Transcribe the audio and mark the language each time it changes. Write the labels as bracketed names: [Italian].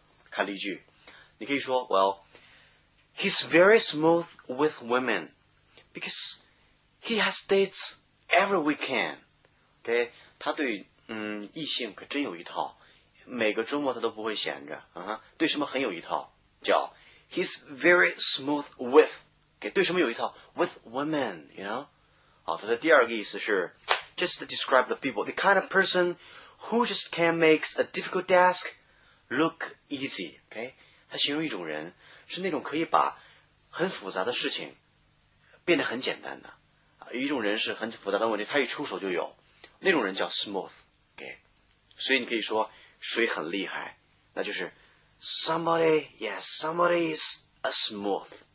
[Chinese] 看例句，你可以说 [English] ，Well， he's very smooth with women because he has dates every weekend。 [Chinese] OK， 他对异性可真有一套。每个周末他都不会闲着、对什么很有一套，叫 [English] He's very smooth with、okay? [Chinese] 对什么有一套 [English] With women, you know [Chinese] 好，他的第二个意思是 [English] Just to describe the people, the kind of person who just can make a difficult task look easy、okay? [Chinese] 他形容一种人是那种可以把很复杂的事情变得很简单的，一种人是很复杂的问题他一出手就有，那种人叫 smooth、okay? 所以你可以说谁很厉害，那就是 [English] Somebody, yes, somebody is a smooth.